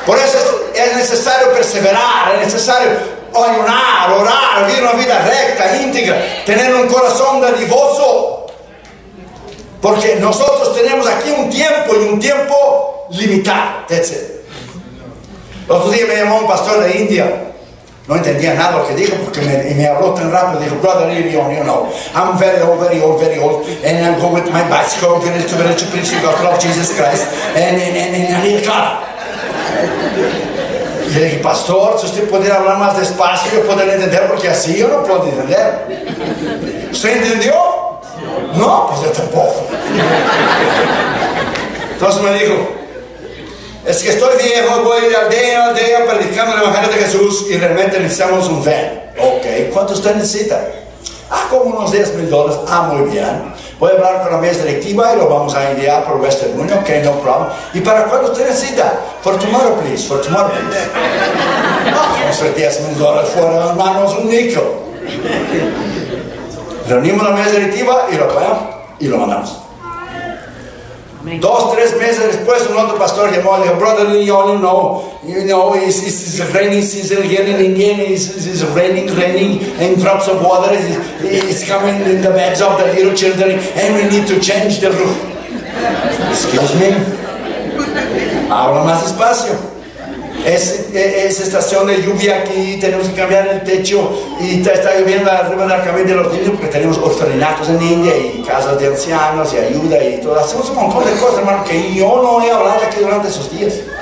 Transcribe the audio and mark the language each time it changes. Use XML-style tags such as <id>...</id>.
<es>Por eso es necesario perseverar, es necesario ayunar, orar, vivir una vida recta, íntegra, tener un corazón dadivoso. Porque nosotros tenemos aquí un tiempo y un tiempo limitado. El otro día me llamó un pastor de India. No entendía nada lo que dijo porque me habló tan rápido.</es> <en>Dijo, brother, you know, I'm very old, very old, very old. And I'm going with my bicycle. I'm going to preach the gospel of Jesus Christ. And I need a car.</en> <es>Y le dije, pastor, si usted pudiera hablar más despacio, yo podría entender porque así yo no puedo entender. ¿Usted entendió? No, pues yo tampoco. Entonces me dijo, es que estoy viejo, voy de aldea en aldea predicando el Evangelio de Jesús y realmente necesitamos un van. Ok, ¿cuánto usted necesita? Como unos 10 mil dólares. Muy bien. Voy a hablar con la mesa directiva y lo vamos a enviar por Western Union.</es> <en>Ok, no problem.</en> <es>¿Y para cuándo usted necesita?</es> <en>For tomorrow, please.</en> <es>Vamos a hacer 10 mil dólares fuera de las manos, un nickel. Reunimos la mesa directiva y lo apoyamos y lo mandamos. Amén. 2-3 meses después, un otro pastor llamó y dijo:</es> <en>Brother, you know, it's raining season again. It's raining, and drops of water is coming in the beds of the little children, and we need to change the roof. Excuse me.</en> <es>Habla más despacio. Es estación de lluvia aquí, tenemos que cambiar el techo y está lloviendo arriba de la cabeza de los niños porque tenemos orfanatos en India y casas de ancianos y ayuda y todo. Hacemos un montón de cosas, hermano, que yo no he hablado aquí durante esos días.</es>